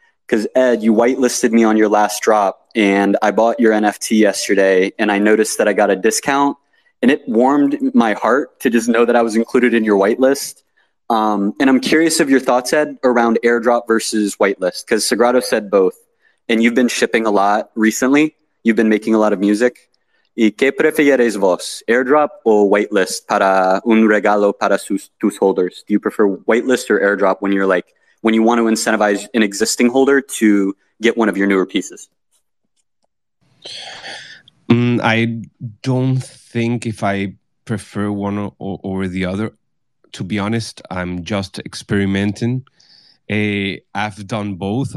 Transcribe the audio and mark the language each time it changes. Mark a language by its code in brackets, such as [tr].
[en] Because Ed, you whitelisted me on your last drop and I bought your NFT yesterday and I noticed that I got a discount. And it warmed my heart to just know that I was included in your whitelist. And I'm curious of your thoughts, Ed, around airdrop versus whitelist, because Sagrado said both. And you've been shipping a lot recently. You've been making a lot of music. [es] ¿Y qué prefieres vos, airdrop o whitelist para un regalo para tus holders? [en] Do you prefer whitelist or airdrop when you're like, when you want to incentivize an existing holder to get one of your newer pieces? I don't think if I prefer one or the other. To be honest, I'm just experimenting. I've done both.